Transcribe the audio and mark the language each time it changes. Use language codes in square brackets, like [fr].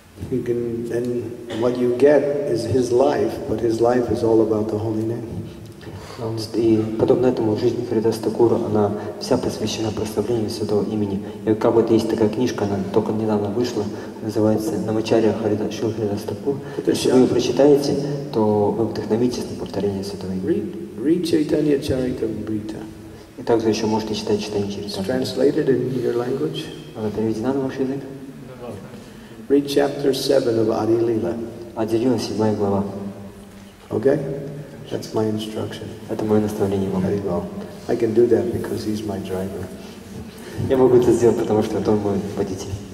[en] You can, and what you get is his life, but his life is all about the Holy Name. [ru] И подобно этому жизнь Харидаса Такура, она вся посвящена прославлению Святого Имени. И как вот есть такая книжка, она только недавно вышла, называется «Намачарья Шрилы Харидаса Такура». Если вы ее прочитаете, то вы вдохновитесь на повторение Святого Имени. [en] Read Chaitanya Charitamrita. [ru] И также еще можете читать Чайтанья Чаритамриту. [en] It's translated in your language. [ru] Она переведена на ваш язык? [en] Read chapter 7 of Adi Lila. [ru] Adi Lila, 7 глава. [en] Okay? That's my instruction. [ru] Это мое наставление вам. [en] Very well. I can do that because he's my driver. [ru] Я могу это сделать, потому что он мой водитель.